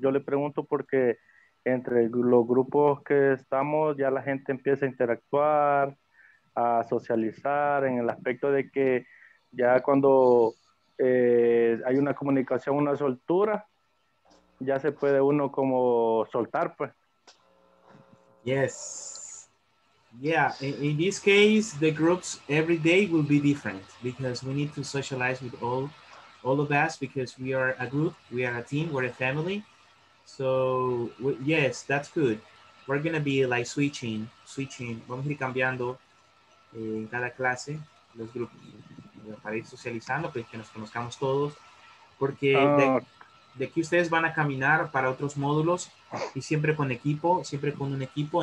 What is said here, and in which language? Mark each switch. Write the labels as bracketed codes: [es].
[es] Yo le pregunto porque entre los grupos que estamos ya la gente empieza a interactuar, a socializar en el aspecto de que ya cuando hay una comunicación, una soltura, ya se puede uno como soltar, pues. [en] Yes. Yeah, in this case, the groups every day will be different because we need to socialize with all of us because we are a group, we are a team, we're a family. So, yes, that's good. We're going to be like switching. [es] Vamos a ir cambiando en cada clase los grupos para ir socializando, pues que nos conozcamos todos. Porque de aquí ustedes van a caminar para otros módulos y siempre con equipo, siempre con un equipo.